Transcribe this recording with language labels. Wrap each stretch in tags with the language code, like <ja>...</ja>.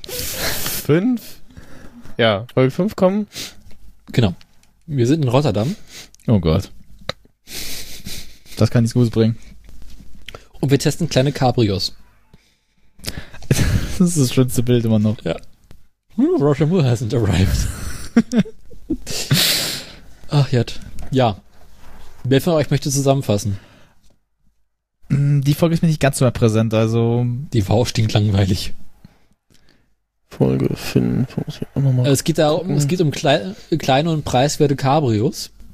<de>5? Ja, Folge 5 kommen. Genau. Wir sind in Rotterdam. Oh Gott. Das kann nichts Gutes bringen. Und wir testen kleine Cabrios. Das ist das schönste Bild immer noch. Ja.</de> <en>Roger Moore hasn't arrived.</en> <de>Ach, Jett. Ja. Wer von euch möchte zusammenfassen? Die Folge ist mir nicht ganz so mehr präsent, also... Die war auch stinkt langweilig. Folge 5. Muss ich auch nochmal. Es geht da um, kleine und preiswerte Cabrios.</de>